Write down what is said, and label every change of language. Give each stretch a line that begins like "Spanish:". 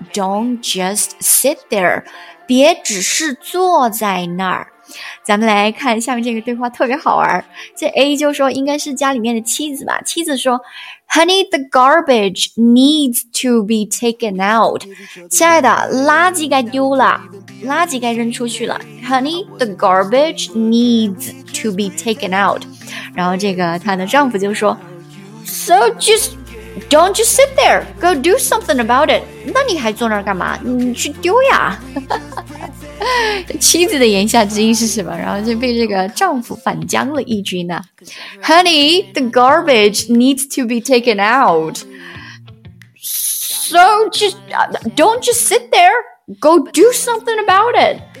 English: Don't just sit there.
Chinese: 别只是坐在那儿。咱们来看下面这个对话，特别好玩。这 A 就说应该是家里面的妻子吧，妻子说
English: Honey, the garbage needs to be taken out.
Chinese: 亲爱的，垃圾该丢了，垃圾该扔出去了。
English: Honey, the garbage needs to be taken out.
Chinese: 然后这个她的丈夫就说
English: So just don't just sit there, go do something about it.
Chinese: 那你还坐那儿干嘛，你去丢呀。妻子的言下之意是什么，然后就被这个丈夫反将了一军呢。
English: Honey, the garbage needs to be taken out. So don't just sit there, go do something about it.